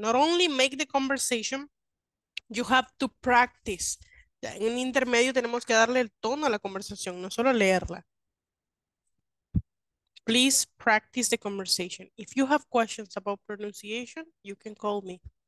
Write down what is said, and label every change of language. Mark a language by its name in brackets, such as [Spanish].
[English] Not only make the conversation, you have to practice. [Spanish] En un intermedio tenemos que darle el tono a la conversación, no solo leerla. [English] Please practice the conversation. If you have questions about pronunciation, you can call me.